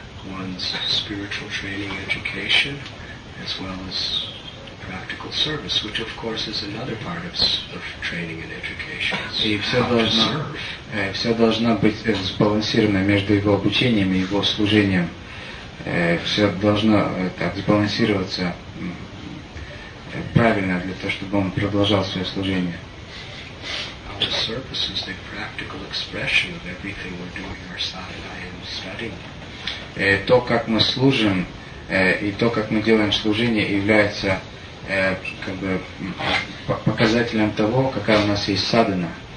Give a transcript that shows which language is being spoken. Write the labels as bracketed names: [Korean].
[English] one's spiritual training, education, as well as practical service, which of course is another part of training and education. [Russian] И все должно, все должно быть сбалансировано между его обучением и его служением. Все должно так сбалансироваться правильно для того, чтобы он продолжал свое служение. [English] Our service is the practical expression of everything we're doing, our sadhana and studying. [Russian] То, как мы служим, и то, как мы делаем служение, является как бы показателем того, какая у нас есть садхана.